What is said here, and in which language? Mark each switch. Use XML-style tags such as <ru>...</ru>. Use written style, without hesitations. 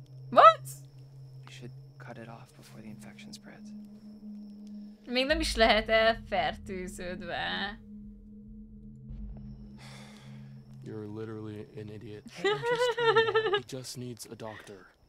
<en>What? We should cut it off before the infection spreads.</en> <hu>Még nem is lehet elfertőződve.</hu> <en>You're literally an idiot. I'm just kidding. He just needs a doctor.</en>